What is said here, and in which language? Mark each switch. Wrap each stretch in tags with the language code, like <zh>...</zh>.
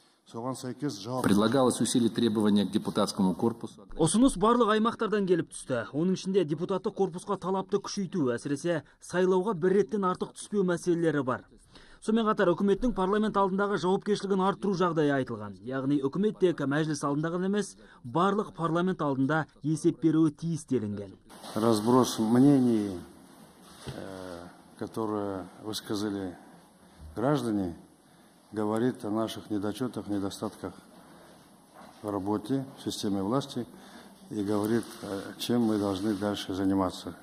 <ru>Предлагалось усилить требования к депутатскому корпусу.</ru> <kk>Ұсыныс барлық аймақтардан келіп түсті. Оның ішінде депутаттық корпусқа талапты күшейту, әсіресе сайлауға бір реттен артық түспеу мәселелері бар. Сонымен қатар үкіметтің парламент алдындағы жауапкершілігін арттыру жағдайы айтылған. Яғни үкімет тек мәжіліс алдындағы емес, барлық парламент алдында есеп беруі тиіс делінген.</kk> <ru>Разброс мнений, которые высказали граждане, говорит о наших недочетах, недостатках в работе, в системе власти и говорит, чем мы должны дальше заниматься.</ru>